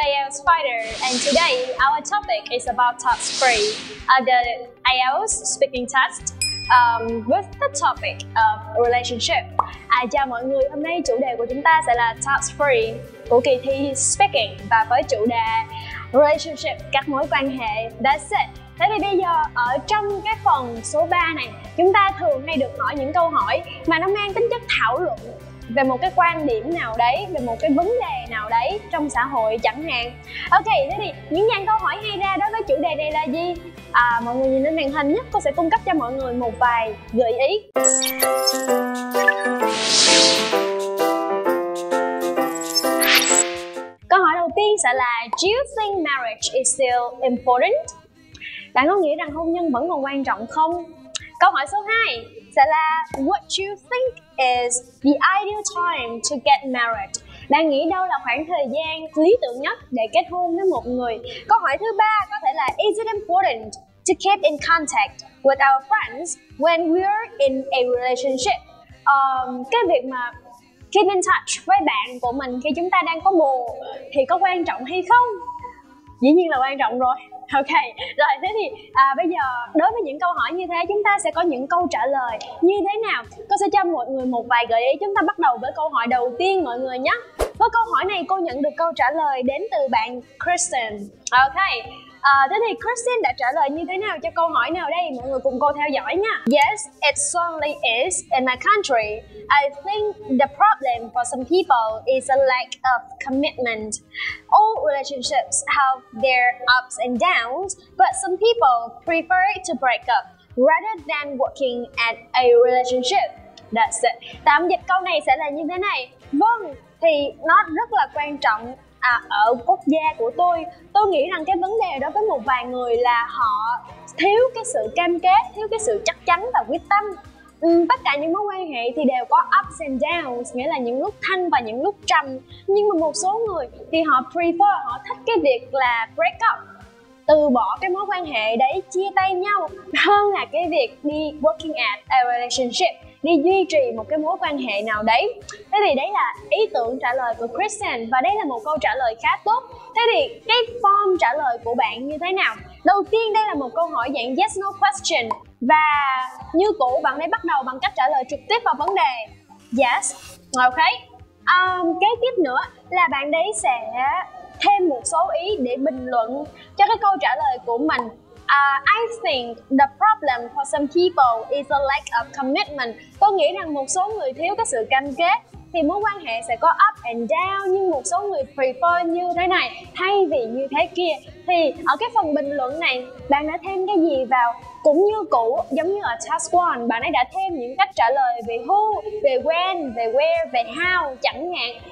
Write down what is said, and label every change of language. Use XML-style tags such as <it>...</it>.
<en>Spider, and today our topic is about task 3, the IELTS speaking test with the topic of relationship.</en> <vi>Chào mọi người, hôm nay chủ đề của chúng ta sẽ là task 3 của kỳ thi speaking và với chủ đề relationship, các mối quan hệ.</vi> <en>That's it.</en> <vi>Thế thì bây giờ ở trong cái phần số 3 này, chúng ta thường hay được hỏi những câu hỏi mà nó mang tính chất thảo luận về một cái quan điểm nào đấy, về một cái vấn đề nào đấy trong xã hội chẳng hạn. Ok, thế thì những dàn câu hỏi hay ra đối với chủ đề này là gì? Mọi người nhìn lên màn hình nhé, cô sẽ cung cấp cho mọi người một vài gợi ý. Câu hỏi đầu tiên sẽ là:</vi> <en>Do you think marriage is still important?</en> <vi>Bạn có nghĩ rằng hôn nhân vẫn còn quan trọng không? Câu hỏi số 2 sẽ là:</vi> <en>What do you think is the ideal time to get married?</en> <vi>Bạn nghĩ đâu là khoảng thời gian lý tưởng nhất để kết hôn với một người? Câu hỏi thứ 3 có thể là:</vi> <en>Is it important to keep in contact with our friends when we're in a relationship?</en> <vi>Cái việc mà</vi> <en>keep in touch</en> <vi>với bạn của mình khi chúng ta đang có bồ thì có quan trọng hay không? Dĩ nhiên là quan trọng rồi. Ok, rồi thế thì bây giờ đối với những câu hỏi như thế, chúng ta sẽ có những câu trả lời như thế nào? Cô sẽ cho mọi người một vài gợi ý. Chúng ta bắt đầu với câu hỏi đầu tiên mọi người nhé. Với câu hỏi này, cô nhận được câu trả lời đến từ bạn Kristen. Ok, thế thì Kristen đã trả lời như thế nào cho câu hỏi nào đây? Mọi người cùng cô theo dõi nha.</vi> <en>Yes, it certainly is in my country. I think the problem for some people is a lack of commitment. All relationships have their ups and downs, but some people prefer to break up rather than working at a relationship. That's it.</en> <vi>Tạm dịch câu này sẽ là như thế này. Vâng, thì nó rất là quan trọng ở quốc gia của tôi. Tôi nghĩ rằng cái vấn đề đối với một vài người là họ thiếu cái sự cam kết, thiếu cái sự chắc chắn và quyết tâm. Tất cả những mối quan hệ thì đều có ups and downs, nghĩa là những lúc thăng và những lúc trầm. Nhưng mà một số người thì họ prefer, họ thích cái việc là break up, từ bỏ cái mối quan hệ đấy, chia tay nhau, hơn là cái việc đi</vi> <en>working at a relationship,</en> <vi>đi duy trì một cái mối quan hệ nào đấy. Thế thì đấy là ý tưởng trả lời của Kristen, và đây là một câu trả lời khá tốt. Thế thì cái form trả lời của bạn như thế nào? Đầu tiên, đây là một câu hỏi dạng yes no question, và như cũ bạn ấy bắt đầu bằng cách trả lời trực tiếp vào vấn đề yes. Ok, kế tiếp nữa là bạn ấy sẽ thêm một số ý để bình luận cho cái câu trả lời của mình.</vi> <en>I think the problem for some people is a lack of commitment.</en> <vi>Tôi nghĩ rằng một số người thiếu cái sự cam kết thì mối quan hệ sẽ có up and down, nhưng một số người prefer như thế này thay vì như thế kia. Thì ở cái phần bình luận này, bạn đã thêm cái gì vào? Cũng như cũ, giống như ở task 1, bạn ấy đã thêm những cách trả lời về who, về when, về where, về how chẳng hạn.</vi>